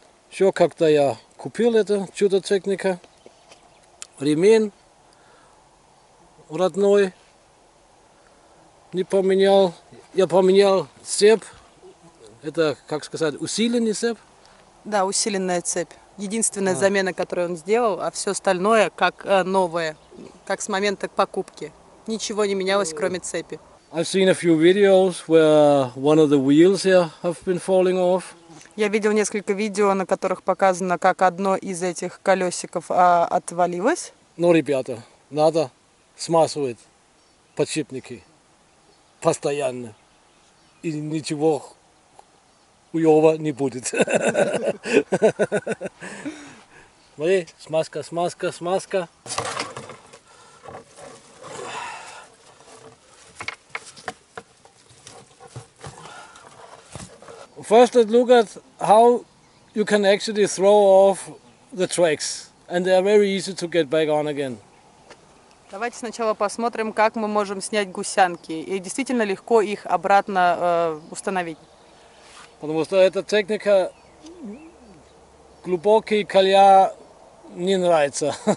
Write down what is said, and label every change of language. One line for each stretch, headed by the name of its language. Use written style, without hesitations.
Russian: Все, когда я купил это чудо-техника. Ремень родной не поменял. Я поменял цепь. Это, как сказать, усиленный цепь? Да, усиленная цепь. Единственная замена, которую он сделал, а все остальное как новое, как с момента покупки. Ничего не менялось, кроме цепи.
English: I've seen a few videos where one of the wheels here have been falling off.
Russian: Я видел несколько видео, на которых показано, как одно из этих колесиков отвалилось. Но, ребята, надо смазывать подшипники постоянно, и ничего уёва не будет. Смотри, смазка.
English: First, let's look at how you can actually throw off the tracks, and they are very easy to get back on again.
Russian: Давайте сначала посмотрим, как мы можем снять гусянки, и действительно легко их обратно установить. Потому что эта техника глубокий колья не нравится.